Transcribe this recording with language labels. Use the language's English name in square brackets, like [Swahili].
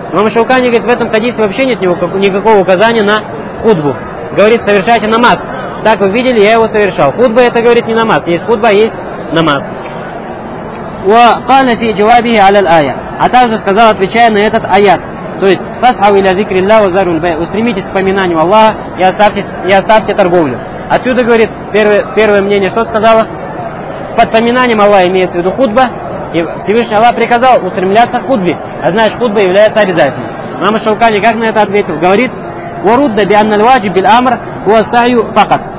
[Russian] Имам Шаукани говорит, в этом хадисе вообще нет никакого указания на худбу. Говорит, совершайте намаз. Так вы видели, я его совершал. Худба это, говорит, не намаз. Есть худба, есть намаз. [Arabic] وَقَالَ فِي جَوَابِهِ عَلَى الْآيَةِ. [Russian] А также сказал, отвечая на этот аят. [Arabic] То есть, فَسْحَوْا إِلَى ذِكْرِ اللَّهِ وَزَرُوا الْبَيْءِ. [Russian] Устремитесь к поминанию Аллаха и оставьте торговлю. Отсюда, говорит, первое мнение, что сказала? Под поминанием Аллаха имеется в виду худба, и Всевышний Аллах приказал устремляться к худбе, а значит худба является обязательной. Мама Шаукани как на это ответил? Говорит, «Варудда бианна льваджи биль амр уасаю факат».